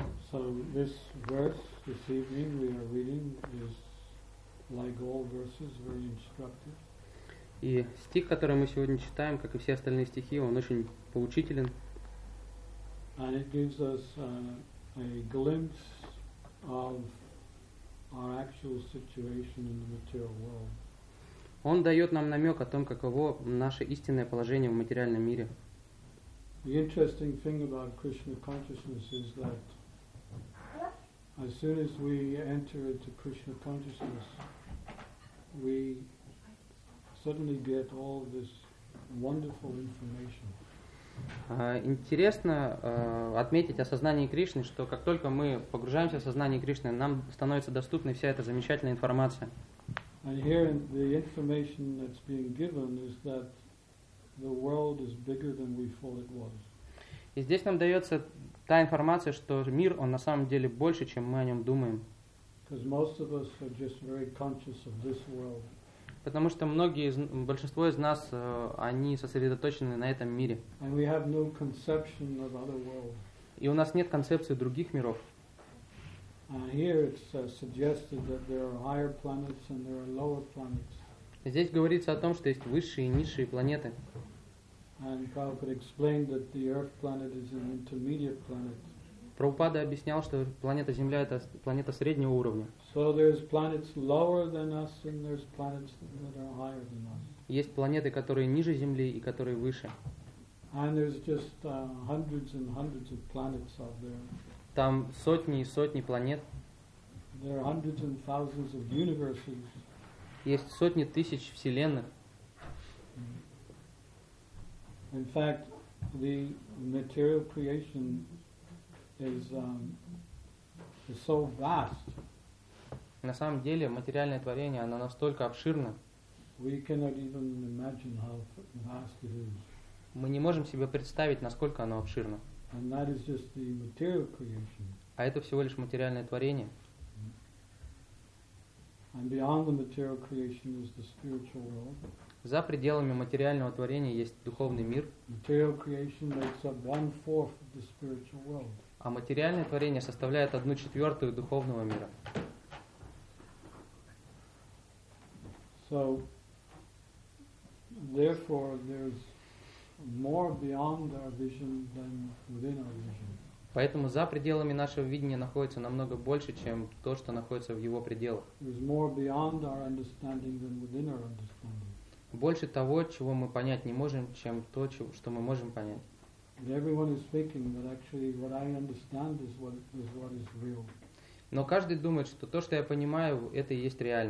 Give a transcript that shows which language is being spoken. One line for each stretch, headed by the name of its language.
English: So this verse this evening we are reading is like all verses very instructive.
Russian: И стих, который мы сегодня читаем, как и все остальные стихи, он очень поучителен.
English: And it gives us a glimpse of our actual situation in the material world.
Russian: Он дает нам намек о том, каково наше истинное положение в материальном мире.
English: The interesting thing about Krishna consciousness is that as soon as we enter into Krishna consciousness, we suddenly get all this wonderful information.
Russian: Интересно отметить о сознании Кришны, что как только мы погружаемся в сознание Кришны, нам становится доступна вся эта замечательная информация.
English: And here the information that's being given is that the world is bigger than we thought it was.
Russian: И здесь нам дается та информация, что мир, он на самом деле больше, чем мы о нем думаем.
English: Because most of us are just very conscious of this world.
Russian: Потому что большинство из нас, они сосредоточены на этом мире.
English: And we have no conception of other world.
Russian: И у нас нет концепции других миров.
English: Here it's suggested that there are higher planets and there are lower planets.
Russian: Здесь говорится о том, что есть высшие и низшие планеты.
English: And Prabhupada explained that the Earth planet is an intermediate planet.
Russian: Прабхупада объяснял, что планета Земля — это планета среднего уровня.
English: So there's planets lower than us and there's planets that are higher than us.
Russian: Есть планеты, которые ниже Земли и которые выше.
English: And there's just hundreds and hundreds of planets out there.
Russian: Там сотни и сотни планет.
English: There are hundreds and thousands of universes.
Russian: Есть сотни тысяч вселенных.
English: In fact, the material creation is so vast.
Russian: На самом деле, материальное творение, оно настолько обширно.
English: We cannot even imagine how vast it is.
Russian: Мы не можем себе представить, насколько оно обширно.
English: And that is just the material creation.
Russian: А это всего лишь материальное творение.
English: And beyond the material creation is the spiritual world.
Russian: За пределами материального творения есть духовный мир.
English: Material creation makes up one-fourth of the spiritual world.
Russian: А материальное творение составляет 1/4 духовного мира.
English: So, therefore, there's more beyond our vision than within our vision.
Russian: Поэтому за пределами нашего видения находится намного больше, чем то, что находится в его пределах.
English: There's more beyond our understanding than within our understanding.
Russian: Больше того, чего мы понять не можем, чем то, что мы можем понять. Но каждый думает, что то, что я понимаю, это и есть